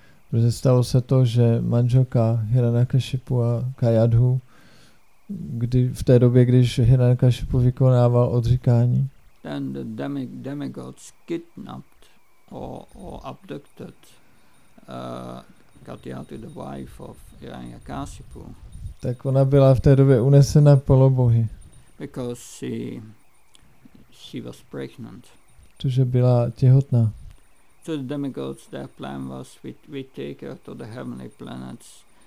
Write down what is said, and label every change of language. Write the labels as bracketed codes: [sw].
[cs] Protože stalo se to, že manželka Hiranyakasipu a Kadyatu, kdy v té době, když Hiranyakasipu vykonával odříkání. [en] Then the demigods kidnapped or abducted Katyatu, the wife of Hiranyakasipu. [cs] Tak ona byla v té době unesena polobohy. [en] Because she was pregnant. [cs] Protože byla těhotná. [en] So the demigods, their plan was we take her to the heavenly planets.